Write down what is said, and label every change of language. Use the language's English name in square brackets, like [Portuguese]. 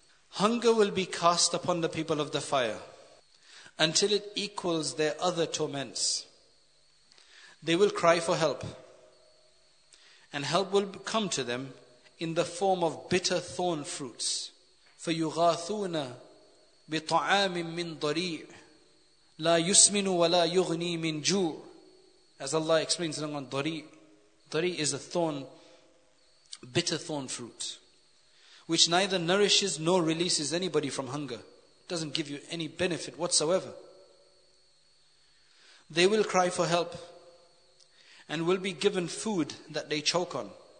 [English] Hunger will be cast upon the people of the fire until it equals their other torments. They will cry for help. And help will come to them in the form of bitter thorn fruits. [Arabic] فَيُغَاثُونَ بِطَعَامٍ مِّنْ ضَرِيعٍ لا يسمن ولا يغني من جوع. [English] As Allah explains in Quran, dari is a thorn, bitter thorn fruit, which neither nourishes nor releases anybody from hunger. Doesn't give you any benefit whatsoever. They will cry for help and will be given food that they choke on.